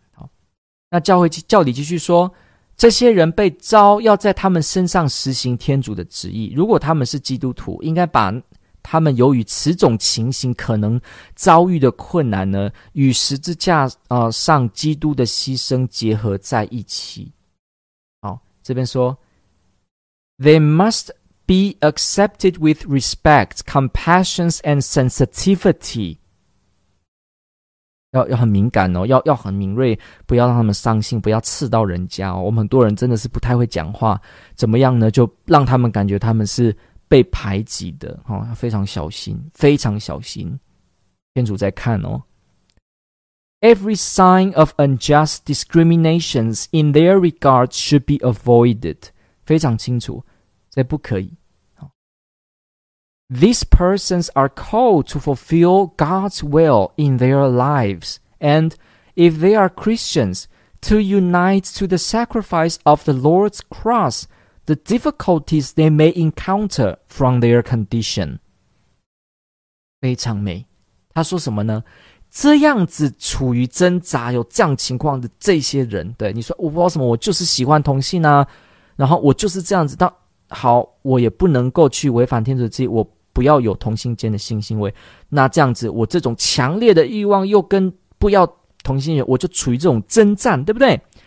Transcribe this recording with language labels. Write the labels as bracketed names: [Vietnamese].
[Chinese] 好，那教理继续说，这些人被召要在他们身上实行天主的旨意，如果他们是基督徒，应该把他们由于此种情形可能遭遇的困难呢，与十字架上基督的牺牲结合在一起。这边说 [English] They must be accepted with respect, compassion and sensitivity. [Chinese] 要很敏感哦，要很敏锐，不要让他们伤心，不要刺到人家哦。我们很多人真的是不太会讲话，怎么样呢，就让他们感觉他们是被排挤的、哦、非常小心，非常小心，天主在看哦。 [English] Every sign of unjust discriminations in their regard should be avoided. [Chinese] 非常清楚，这不可以。 [English] These persons are called to fulfill God's will in their lives, and if they are Christians, to unite to the sacrifice of the Lord's cross the difficulties they may encounter from their condition. [Chinese] 非常美。他说什么呢？这样子处于挣扎有这样情况的这些人，对，你说我不知道什么，我就是喜欢同性啊，然后我就是这样子，但好，我也不能够去违反天主的旨意，我不要有同性间的性行为，那这样子我这种强烈的欲望又跟不要同性人，我就处于这种征战，对不对？